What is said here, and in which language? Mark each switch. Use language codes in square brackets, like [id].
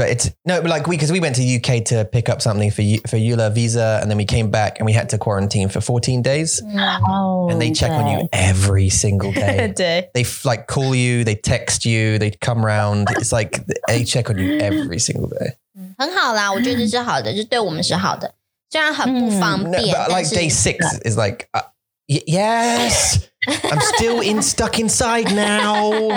[en] But it's, no, but like, because we went to UK to pick up something for Eula visa, and then we came back and we had to quarantine for 14 days. Oh, and they check on you every single day. They like call you, they text you, they come round. It's like, they check on you every single day. [zh] 很好啦，我觉得这是好的，就对我们是好的，虽然很不方便。 [en] No, but like day six is like, yes, I'm still in stuck inside now.